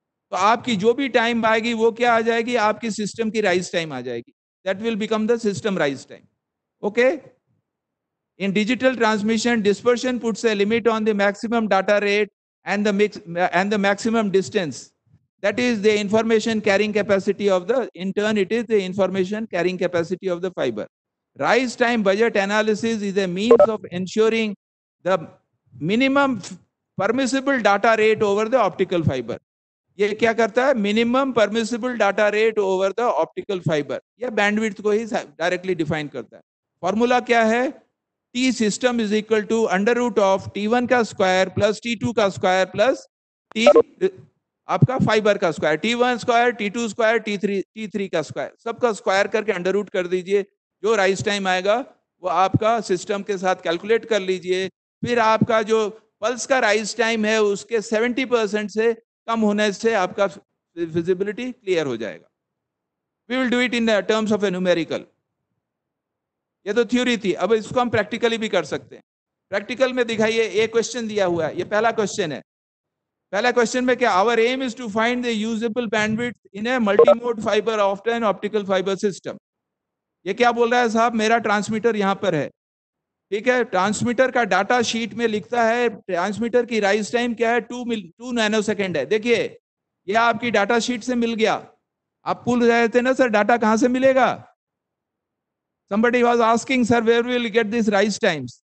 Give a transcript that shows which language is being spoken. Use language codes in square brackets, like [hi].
[hi] तो आपकी जो भी टाइम आएगी वो क्या आ जाएगी, आपकी सिस्टम की राइज टाइम आ जाएगी, [en] That will become the system rise time. Okay in digital transmission dispersion puts a limit on the maximum data rate and the maximum distance. That is the information carrying capacity of the, in turn it is the information carrying capacity of the fiber. Rise time budget analysis is a means of ensuring the minimum permissible data rate over the optical fiber. [hi] ये क्या करता है? [en] Minimum permissible data rate over the optical fiber. [hi] ये bandwidth को ही directly define करता है. Formula क्या है? [en] T system is equal to under root of T1 का square plus T2 का square plus T आपका fiber का square. T1 square, T2 square, T3 का square. [hi] सब का square करके under root कर दीजिए. जो rise time आएगा, वो आपका system के साथ calculate कर लीजिए. फिर आपका जो pulse का rise time है, उसके 70% से कम होने से आपका विजिबिलिटी क्लियर हो जाएगा. [en] We will do it in terms of a numerical. [hi] ये तो थ्योरी थी, अब इसको हम प्रैक्टिकली भी कर सकते हैं. प्रैक्टिकल में दिखाइए, एक क्वेश्चन दिया हुआ है. ये पहला क्वेश्चन है. पहला क्वेश्चन में क्या, [en] Our aim is to find the usable bandwidth in a multimode fibre of an optical fibre system. [hi] ये क्या बोल रहा है साहब, मेरा ट्रांसमीटर यहां पर है, ठीक है. ट्रांसमीटर का डाटा शीट में लिखता है ट्रांसमीटर की राइज टाइम क्या है, 2 नैनो सेकंड है. देखिए ये आपकी डाटा शीट से मिल गया. आप पूछ रहे थे ना सर डाटा कहां से मिलेगा. [en] Somebody was asking sir where will you get this rise times.